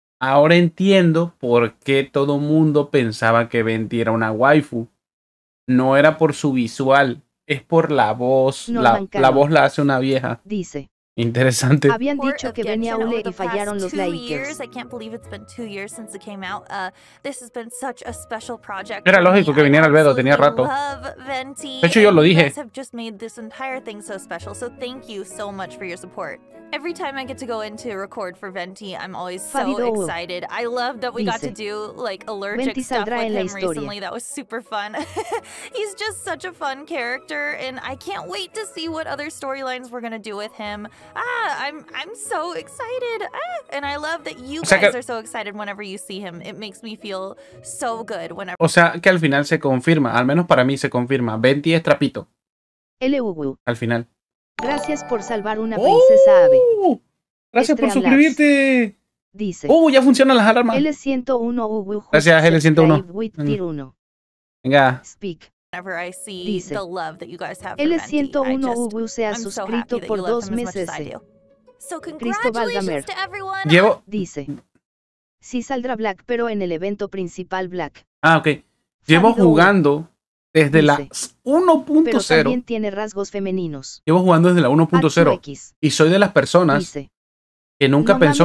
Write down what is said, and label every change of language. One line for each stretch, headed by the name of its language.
Spanish: Ahora entiendo por qué todo mundo pensaba que Venti era una waifu. No era por su visual, es por la voz. La voz la hace una vieja. Dice. Interesante. Habían dicho que venía Ule y fallaron los Lakers.
English: I can't believe it's been 2 years since it came out. This has been such a special project.
Spanish: Era lógico que viniera Albedo, tenía rato. De hecho, yo lo dije.
English: You guys have just made this entire thing so special, so thank you so much for your support. Every time I get to go in to record for Venti, I'm always so excited. I love that we got to do like allergic stuff with him recently. That was super fun. He's just such a fun character, and I can't wait to see what other storylines we're gonna do with him. Ah, I'm so excited. Ah, and I love that you guys are so excited whenever you see him. It makes me feel so good whenever.
Spanish: O sea, que al final se confirma. Al menos para mí se confirma. Venti es trapito. Al final. Gracias por salvar una princesa ave. Gracias por suscribirte. Dice. Ya funcionan las alarmas. L101 Gracias, L101. Venga.
English: Speak. Whenever I see Dice. The love that you guys have for Venti, I just, I'm so happy that you love him as much as I do. So congratulations to everyone.
Spanish: Llevo. Dice. Sí saldrá Black, pero en el evento principal Black. Ah, okay. Llevo jugando desde la 1.0. Pero también tiene rasgos femeninos. Llevo jugando desde la 1.0. Y soy de las personas que nunca no pensó